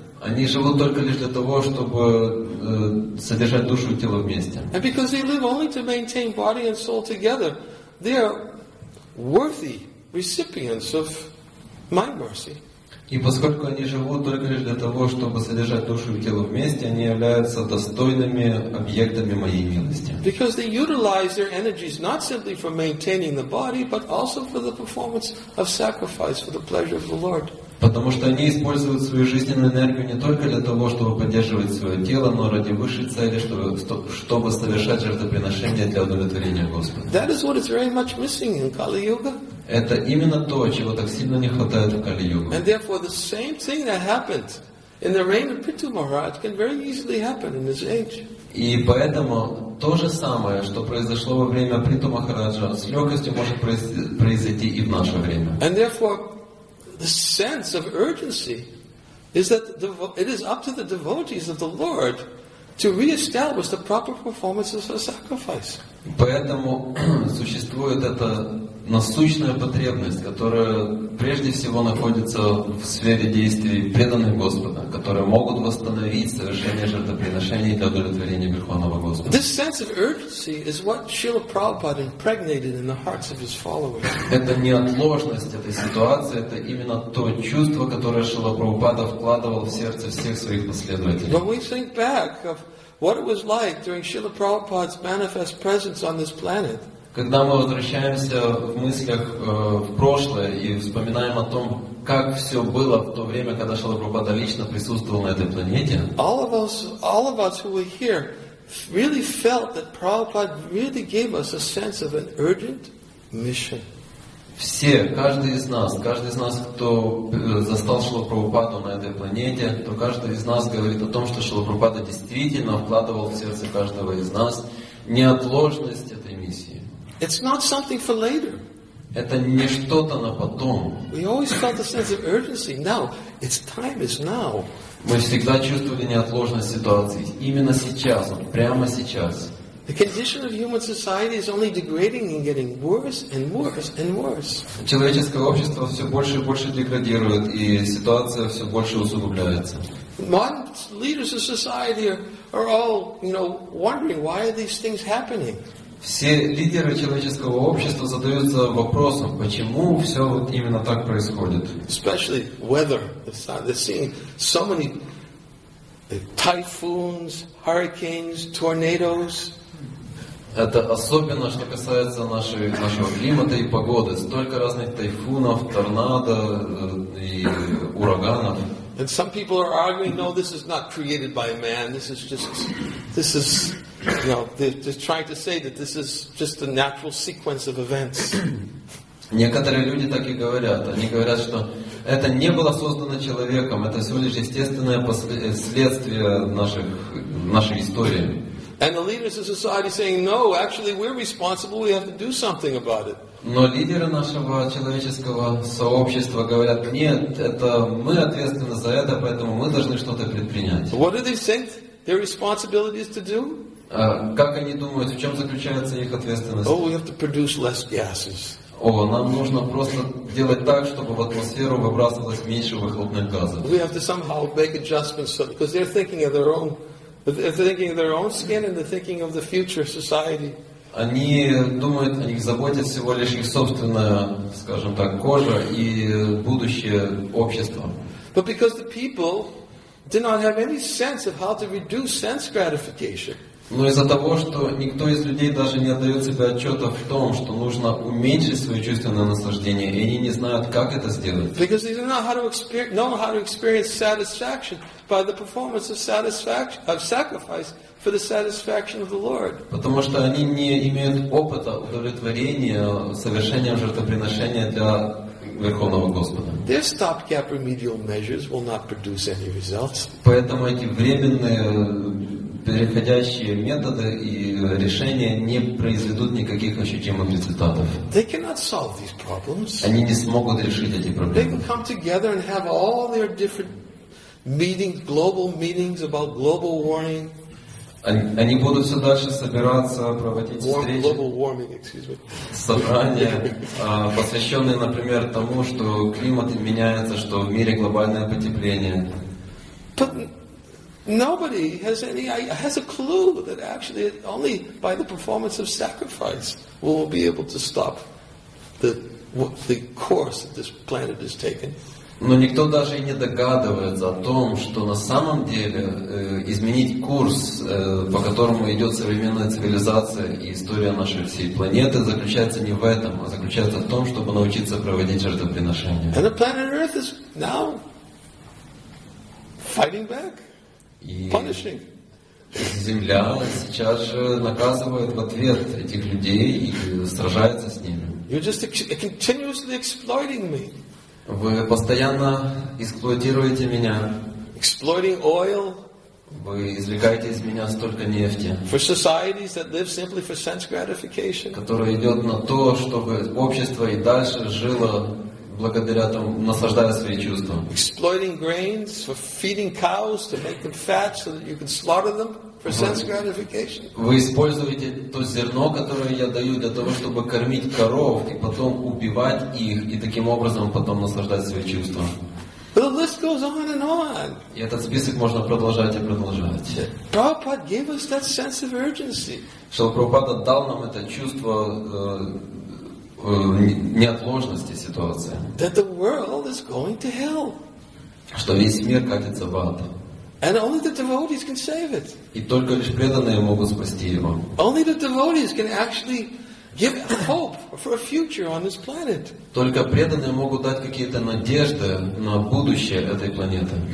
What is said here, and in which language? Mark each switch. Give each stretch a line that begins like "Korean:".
Russian: Они живут только лишь для того, чтобы содержать душу и тело вместе.
English: And because they live only to maintain body and soul together, they are worthy recipients of my mercy.
Russian: И поскольку они живут только лишь для того, чтобы содержать душу и тело вместе, они являются достойными объектами моей милости.
English: Because they utilize their energies not simply for maintaining the body, but also for the performance of sacrifice for the pleasure of the Lord.
Russian: Потому что они используют свою жизненную энергию не только для того, чтобы поддерживать свое тело, но ради высшей цели, чтобы совершать жертвоприношение для удовлетворения Господа.
English: That is what is very much missing in Kali Yuga.
Russian: Это именно то, чего так сильно не хватает в Кали-Юге.
English: And therefore the same thing that happened in the reign of Pitu Maharaj can very easily happen in this age.
Russian: И поэтому то же самое, что произошло во время Приту Махараджа, с легкостью может произойти и в наше время.
English: And therefore the sense of urgency is that it is up to the devotees of the Lord to reestablish the proper performances of sacrifice.
Russian: Поэтому существует эта насущная потребность, которая прежде всего находится в сфере действий преданных Господа, которые могут восстановить совершение жертвоприношений для удовлетворения Верховного Господа.
English: This sense of urgency is what Srila Prabhupada impregnated in the hearts of his followers.
Russian: Это неотложность этой ситуации, это именно то чувство, которое Шрила Прабхупада вкладывал в сердце всех своих последователей.
English: When we think back of what it was like during Srila Prabhupada's manifest presence on this planet,
Russian: когда мы возвращаемся в мыслях в прошлое и вспоминаем о том, как все было в то время, когда Шрила Прабхупада лично присутствовал на этой планете,
English: all of us who were here really felt that Prabhupada really gave us a sense of an urgent mission.
Russian: Все, каждый из нас, кто застал Шрила Прабхупаду на этой планете, то каждый из нас говорит о том, что Шрила Прабхупада действительно вкладывал в сердце каждого из нас неотложность этой миссии.
English: It's not something for later.
Russian: Это не что-то на потом.
English: We always felt a sense of urgency. Now, its time is now.
Russian: Мы всегда чувствовали неотложность ситуации. Именно сейчас, прямо сейчас.
English: The condition of human society is only degrading and getting worse and worse and worse.
Russian: Человеческое общество все больше и больше деградирует, и ситуация все больше усугубляется.
English: Modern leaders of society are all, you know, wondering why are these things happening.
Russian: Все лидеры человеческого общества задаются вопросом, почему все вот именно так происходит.
English: Especially weather. They're seeing so many typhoons, hurricanes, tornadoes.
Russian: Это особенно, что касается нашего климата и погоды. Столько разных тайфунов, торнадо и ураганов.
English: And some people are arguing, no, this is not created by man. This is... You know, they're just trying to say that this is just a natural sequence of events.
Russian: Некоторые люди так и говорят. Они говорят, что это не было создано человеком, это всего лишь естественное следствие нашей истории.
English: And the leaders of society saying, no, actually, we're responsible. We have to do something about it.
Russian: Но лидеры нашего человеческого сообщества говорят, нет, это мы ответственны за это, поэтому мы должны что-то предпринять.
English: What do they think their responsibility is to do?
Russian: Как они думают, в чем заключается их ответственность?
English: Oh, we have to produce less gases.
Russian: Нам нужно просто делать так, чтобы в атмосферу выбрасывалось меньше выхлопных газов.
English: We have to somehow make adjustments because they're thinking of their own skin and they're thinking of the future society.
Russian: Они думают, о них заботят всего лишь их собственная, скажем так, кожа и будущее общества.
English: But because the people did not have any sense of how to reduce sense gratification.
Russian: Но из-за того, что никто из людей даже не отдает себе отчета в том, что нужно уменьшить свое чувственное наслаждение, и они не знают, как это сделать.
English: Because they don't know how to experience satisfaction by the performance of sacrifice for the satisfaction of the Lord.
Russian: Потому что они не имеют опыта удовлетворения совершением жертвоприношения для Верховного Господа.
English: Their stopgap remedial measures will not produce any results.
Russian: Поэтому эти временные переходящие методы и решения не произведут никаких ощутимых результатов.
English: They cannot solve these problems.
Russian: Они не смогут решить эти проблемы.
English: They can come together and have all their different meetings about global warming.
Russian: Они будут все дальше собираться, проводить встречи,
English: global warming, excuse me.
Russian: Собрания, посвященные, например, тому, что климат меняется, что в мире глобальное потепление.
English: But nobody has a clue that actually only by the performance of sacrifice will we be able to stop the course that this planet has taken.
Russian: Но никто даже и не догадывается о том, что на самом деле изменить курс, по которому идет современная цивилизация и история нашей всей планеты, заключается не в этом, а заключается в том, чтобы научиться проводить жертвоприношения.
English: And the planet Earth is now fighting back, punishing.
Russian: Земля сейчас же наказывает в ответ этих людей и сражается с ними.
English: You're just continuously exploiting me.
Russian: Вы постоянно эксплуатируете меня.
English: Exploiting oil.
Russian: Вы извлекаете из меня столько нефти.
English: For societies that live simply for sense gratification.
Russian: Которое идет на то, чтобы общество и дальше жило благодаря тому, наслаждая свои чувства.
English: Exploiting grains for feeding cows to make them fat so that you can slaughter them for sense gratification.
Russian: Вы используете то зерно, которое я даю для того, чтобы кормить коров и потом убивать их и таким образом потом наслаждать свои чувства.
English: But the list goes on and on.
Russian: И этот список можно продолжать и продолжать.
English: Prabhupada gave us that sense of urgency.
Russian: Шрила Прабхупада дал нам это чувство неотложности ситуации.
English: That the world is going to hell.
Russian: Что весь мир катится в ад.
English: And only the devotees can save it.
Russian: И только лишь преданные могут спасти его.
English: Only the devotees can actually give hope for a future on this planet.
Russian: Только преданные могут дать какие-то надежды на будущее этой планеты.